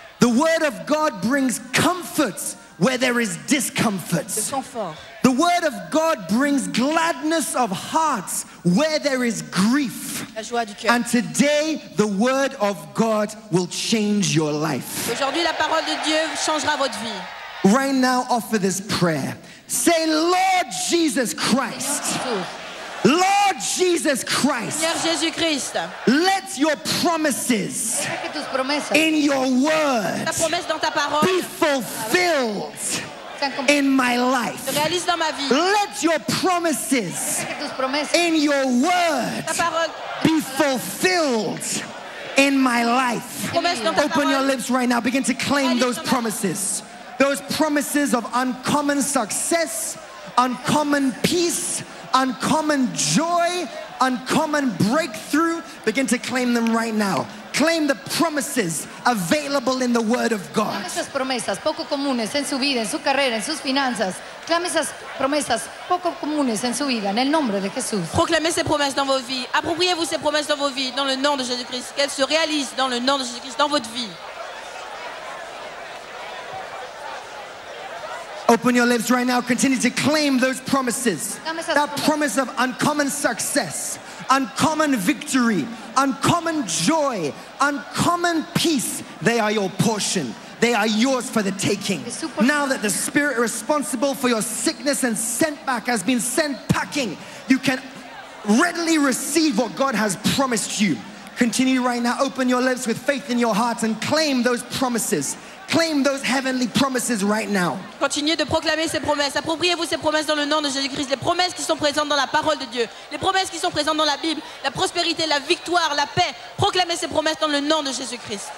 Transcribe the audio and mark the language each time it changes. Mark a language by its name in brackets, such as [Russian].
[English] The word of God brings comfort where there is discomfort. The word of God brings gladness of hearts where there is grief. [French] La joie du cœur. [English] And today, the word of God will change your life. [French] Aujourd'hui, la parole de Dieu changera votre vie. [English] Right now, offer this prayer. Say, Lord Jesus Christ. Lord Jesus Christ, [French] Seigneur Jésus Christ, [English] let your promises in your word [French] ta promesse dans ta parole [English] be fulfilled in my life. [French] Réalise dans ma vie. [English] Let your promises in your word [French] ta parole [English] be fulfilled in my life. Open your lips right now. Begin to claim those promises. Those promises of uncommon success, uncommon peace, uncommon joy, uncommon breakthrough. Begin to claim them right now. Claim the promises available in the Word of God. [Spanish] Clame esas promesas poco comunes en su vida, en su carrera, en sus finanzas. Clame esas promesas poco comunes en su vida, en el nombre de Jesús. [French] Proclamez ces promesses dans vos vies. Appropriez-vous ces promesses dans vos vies, dans le nom de Jésus-Christ. Qu'elles se réalisent dans le nom de Jésus-Christ, dans votre vie. [English] Open your lips right now. Continue to claim those promises. That promise of uncommon success, uncommon victory, uncommon joy, uncommon peace. They are your portion. They are yours for the taking. Now that the spirit responsible for your sickness and setback has been sent packing, you can readily receive what God has promised you. Continue right now. Open your lips with faith in your heart and claim those promises. Claim those heavenly promises right now. [French] Continuez de proclamer ces promesses. Appropriez-vous ces promesses dans le nom de Jésus-Christ. Les promesses qui sont présentes dans la parole de Dieu. Les promesses qui sont présentes dans la Bible. La prospérité, la victoire, la paix. Proclamez ces promesses dans le nom de Jésus-Christ.